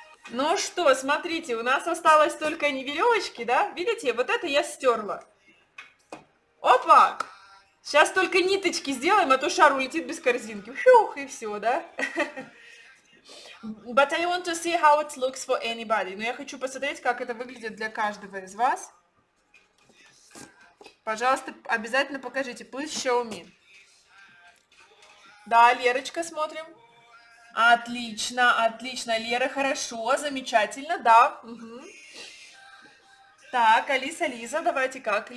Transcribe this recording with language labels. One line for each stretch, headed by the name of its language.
Russian: Ну что, смотрите, у нас осталось только не веревочки, да? Видите, вот это я стерла. Опа! Сейчас только ниточки сделаем, а то шар улетит без корзинки. Фух, и все, да?
English: But I want to see how it looks for anybody.
Russian: Но я хочу посмотреть, как это выглядит для каждого из вас. Пожалуйста, обязательно покажите.
English: Please show me.
Russian: Да, Лерочка, смотрим. Отлично, отлично. Лера, хорошо, замечательно, да. Угу. Так, Алиса, Лиза, давайте как?